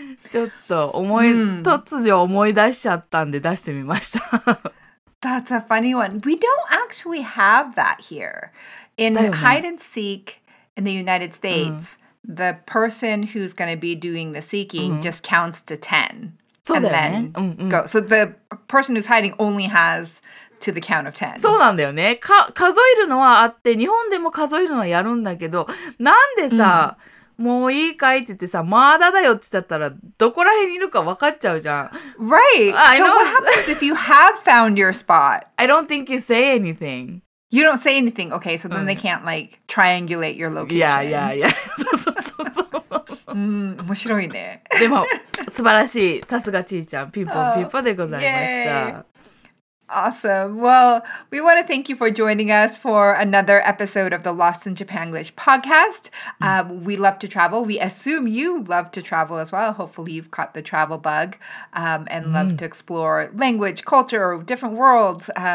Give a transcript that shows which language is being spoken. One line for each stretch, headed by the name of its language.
Japanese: ちょっと思い、突如思い出しちゃったんで出してみました。
English: That's a funny one. We don't actually have that here. In hide and seek in the United States, the person who's going to be doing the seeking just counts to 10.
Japanese: そうだよね。
English: And then go. So the person who's hiding only has to the count of 10.
Japanese: そうなんだよね。か、数えるのはあって、日本でも数えるのはやるんだけど、なんでさ、もういいかいって言ってさ、まだだよって言っちゃったら、どこら辺にいるか分かっちゃうじゃん。
English: Right. I know. So what happens if you have found your spot? I don't think you say anything. You don't say anything. Okay, so then they can't like triangulate your location. Yeah, yeah, yeah.
Japanese: そうそうそうそう。うん、面白いね。でも、素晴らしい。さすがちーちゃん。ピンポンピンポンでございました。
English: Awesome. Well, we want to thank you for joining us for another episode of the Lost in Japanglish podcast. We love to travel. We assume you love to travel as well. Hopefully you've caught the travel bug and love to explore language, culture, or different worlds.